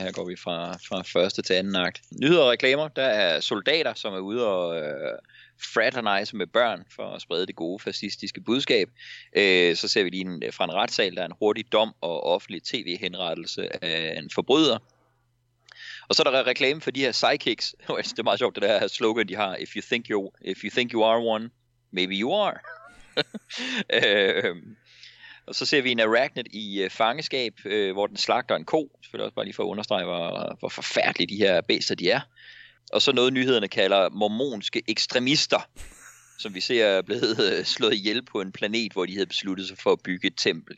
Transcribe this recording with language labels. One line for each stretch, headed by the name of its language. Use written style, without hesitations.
Danish: Her går vi fra første til anden akt. Nyheder og reklamer. Der er soldater, som er ude og fraternize med børn for at sprede det gode fascistiske budskab. Så ser vi lige fra en retssal, der er en hurtig dom og offentlig tv-henrettelse af en forbryder. Og så er der reklame for de her sidekicks. Det er meget sjovt, det der slogan, de har.
English: If you think you are one, maybe you are.
Danish: Og så ser vi en arachnid i fangeskab, hvor den slagter en ko. Selvfølgelig også bare lige for at understrege, hvor forfærdelige de her bæster de er. Og så noget, nyhederne kalder mormonske ekstremister, som vi ser blevet slået ihjel på en planet, hvor de havde besluttet sig for at bygge et tempel.